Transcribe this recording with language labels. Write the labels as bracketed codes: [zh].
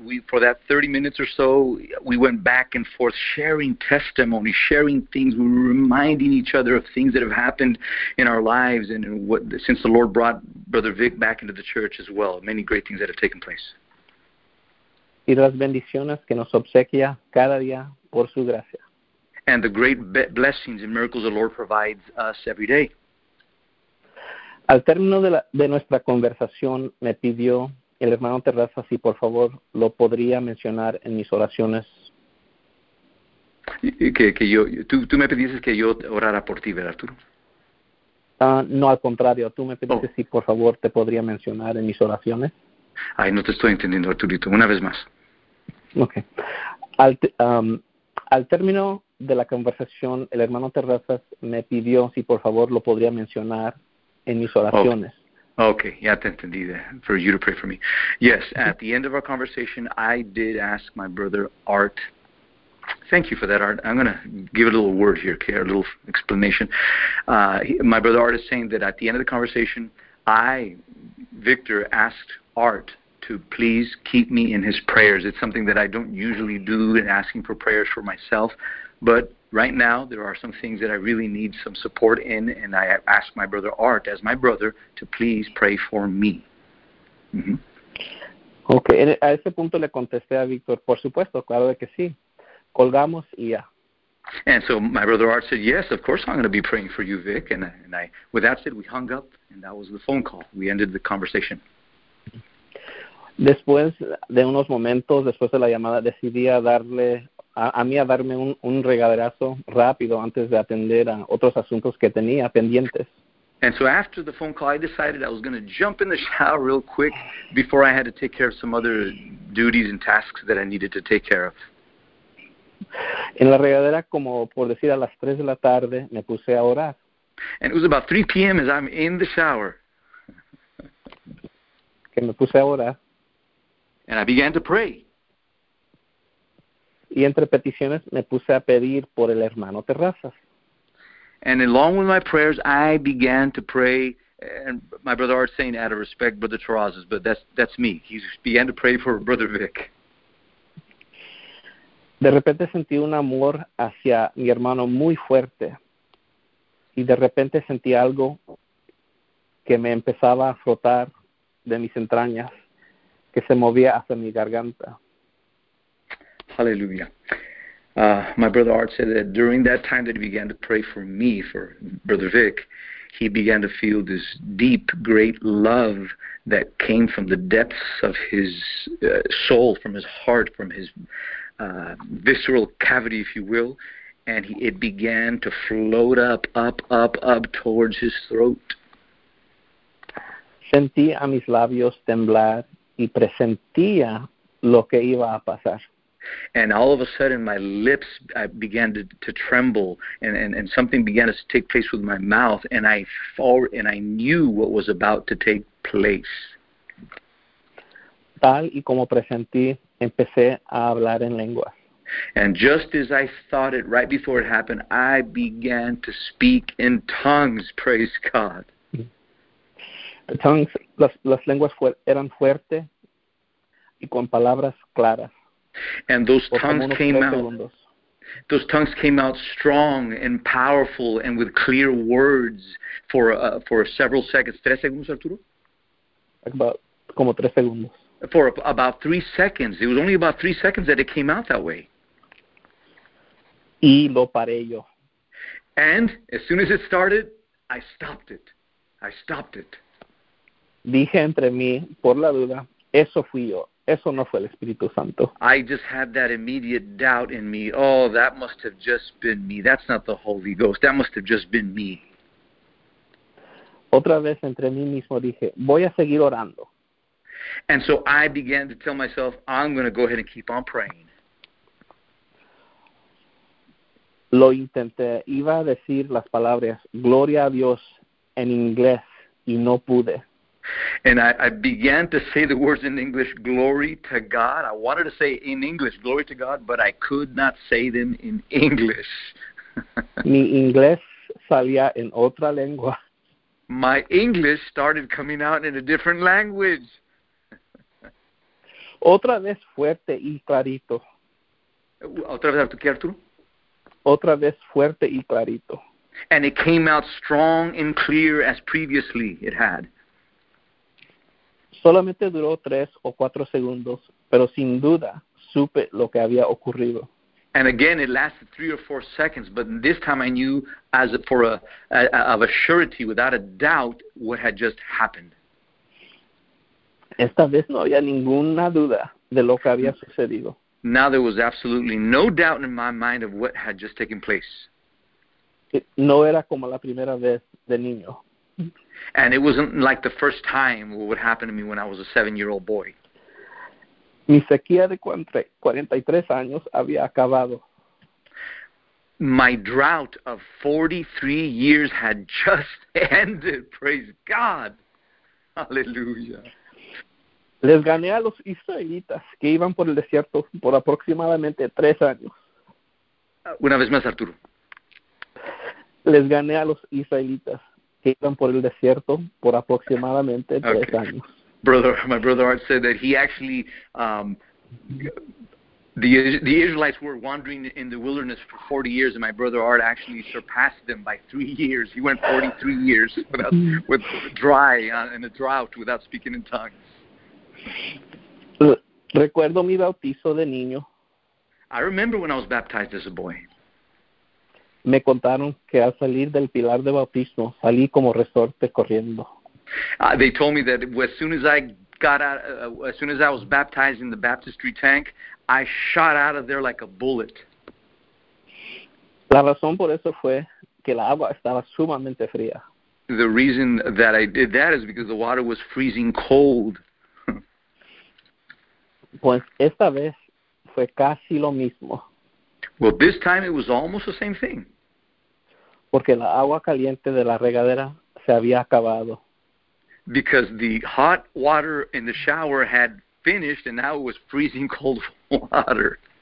[en] For that 30 minutes or so, we went back and forth sharing testimony, sharing things. We were reminding each other of things that have happened in our lives and what, since the Lord brought Brother Vic back into the church as well. Many great things that have taken place. [es] Y las bendiciones que nos obsequia cada día por su gracia. [en] And the great blessings and miracles the Lord provides us every day. [es] Al término de nuestra conversación, me pidió el hermano Terraza si por favor lo podría mencionar en mis oraciones. ¿Tú me pediste que yo orara por ti, ¿verdad, Arturo? No, al contrario. Tú me pediste si por favor te podría mencionar en mis oraciones. Ay, no te estoy entendiendo, Arturito. Una vez más. Ok. Al término de la conversación, el hermano Terraza me pidió si por favor lo podría mencionar en mis oraciones. [en] Okay, [es] ya te entendí. [en] For you to pray for me. Yes, at the end of our conversation, I did ask my brother Art. Thank you for that, Art. I'm going to give a little word here, okay, a little explanation. My brother Art is saying that at the end of the conversation, I, Victor, asked Art to please keep me in his prayers. It's something that I don't usually do in asking for prayers for myself, but right now, there are some things that I really need some support in, and I ask my brother Art, as my brother, to please pray for me. Mm-hmm. [es] Okay, a ese punto le contesté a Victor, por supuesto, claro que sí. Colgamos y ya. [en] And so my brother Art said, yes, of course I'm going to be praying for you, Vic. And I, with that said, we hung up, and that was the phone call. We ended the conversation. [es] Después de unos momentos, después de la llamada, decidí a darle a mí a darme un regaderazo rápido antes de atender a otros asuntos que tenía pendientes. [en] And so after the phone call, I decided I was going to jump in the shower real quick before I had to take care of some other duties and tasks that I needed to take care of. [es] En la regadera, como por decir a las 3 de la tarde, me puse a orar. [en] And it was about 3 p.m. as I'm in the shower. [es] Que me puse a orar. [en] And I began to pray. [es] Y entre peticiones me puse a pedir por el hermano Terrazas. [en] And along with my prayers, I began to pray, and my brother Art saying, out of respect, Brother Terrazas, but that's me. He began to pray for Brother Vic. [es] De repente sentí un amor hacia mi hermano muy fuerte. Y de repente sentí algo que me empezaba a frotar de mis entrañas, que se movía hacia mi garganta. [en] Hallelujah. My brother Art said that during that time that he began to pray for me, for Brother Vic, he began to feel this deep, great love that came from the depths of his soul, from his heart, from his visceral cavity, if you will, and it began to float up towards his throat. [es] sentía a mis labios temblar y presentía lo que iba a pasar. [en] And all of a sudden my lips began to tremble and something began to take place with my mouth and I knew what was about to take place. [es] Tal y como presentí, empecé a hablar en lenguas. [en] And just as I thought it, right before it happened, I began to speak in tongues, praise God. The tongues, [es] las lenguas eran fuertes y con palabras claras. [en] And those tongues came out strong and powerful and with clear words for several seconds. [es] ¿Tres segundos, Arturo? Como tres segundos. [en] For about 3 seconds. It was only about 3 seconds that it came out that way. [es] Y lo paré yo. [en] And as soon as it started, I stopped it. I stopped it. [es] Dije entre mí, por la duda, eso fui yo. Eso no fue el Espíritu Santo. [en] I just had that immediate doubt in me. Oh, that must have just been me. That's not the Holy Ghost. That must have just been me. [es] Otra vez entre mí mismo dije, voy a seguir orando. [en] And so I began to tell myself, I'm going to go ahead and keep on praying. [es] Lo intenté. Iba a decir las palabras, Gloria a Dios, en inglés, y no pude. [en] And I began to say the words in English, Glory to God. I wanted to say in English, Glory to God, but I could not say them in English. [es] Mi inglés salía en otra lengua. [en] My English started coming out in a different language. [es] Otra vez fuerte y clarito. ¿Otra vez, Arturo? Otra vez fuerte y clarito. [en] And it came out strong and clear as previously it had. [es] Solamente duró 3 o 4 segundos, pero sin duda supe lo que había ocurrido. [en] And again, it lasted 3 or 4 seconds, but this time I knew of a surety, without a doubt, what had just happened. [es] Esta vez no había ninguna duda de lo que había sucedido. [en] Now there was absolutely no doubt in my mind of what had just taken place. [es] No era como la primera vez de niño. [en] And it wasn't like the first time what would happen to me when I was a 7-year-old boy. [es] Mi sequía de 43 años había acabado. [en] My drought of 43 years had just ended. Praise God. Hallelujah. [es] Les gané a los israelitas que iban por el desierto por aproximadamente 3 años. Una vez más, Arturo. Les gané a los israelitas que iban por el desierto por aproximadamente 3 años. [en] My brother Art said that he actually, the Israelites were wandering in the wilderness for 40 years, and my brother Art actually surpassed them by 3 years. He went 43 years in a drought without speaking in tongues. [es] Recuerdo mi bautizo de niño. [en] I remember when I was baptized as a boy. [es] Me contaron que al salir del pilar de bautismo, salí como resorte corriendo. [en] They told me that as soon as I was baptized in the baptistry tank, I shot out of there like a bullet. [es] La razón por eso fue que la agua estaba sumamente fría. [en] The reason that I did that is because the water was freezing cold. [es] Pues esta vez fue casi lo mismo. [en] Well, this time it was almost the same thing. [es] Porque la agua caliente de la regadera se había acabado. [en] Because the hot water in the shower had finished and now it was freezing cold water.